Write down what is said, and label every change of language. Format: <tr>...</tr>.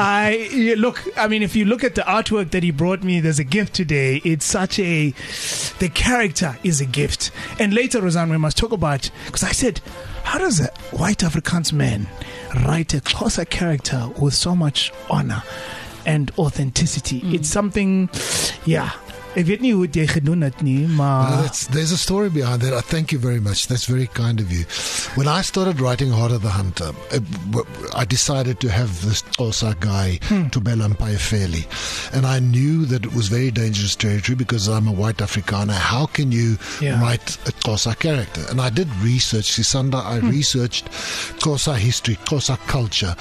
<en>If you look at the artwork that he brought me, there's a gift today. It's such a, the character is a gift. And later, Rozanne, we must talk about, because I said, how does a white Afrikaans man write a Xhosa character with so much honor and authenticity? It's something, yeah.</en> <af>Ek weet nie hoe jy gedoen het nie, maar...</af> <en>There's a story behind that. Thank you very much. That's very kind of you. When I started writing Heart of the Hunter, I decided to have this Xhosa guy to Belampai fairly. And I knew that it was very dangerous territory because I'm a white Afrikaner. How can you write a Xhosa character? And I did research, Sisanda, I researched Xhosa history, Xhosa culture.</en>